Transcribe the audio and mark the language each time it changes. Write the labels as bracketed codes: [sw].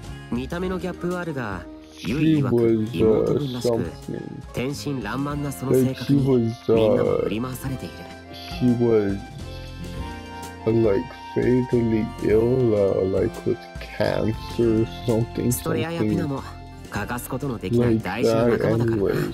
[ja] 見た目のギャップはあるが、ユイ曰く妹分らしく天真爛漫なその性格にみんなも振り回されている。 [en] She was like fatally ill, like with cancer or something. [ja] ストレアやピナも欠かすことのできない大事な仲間だからな。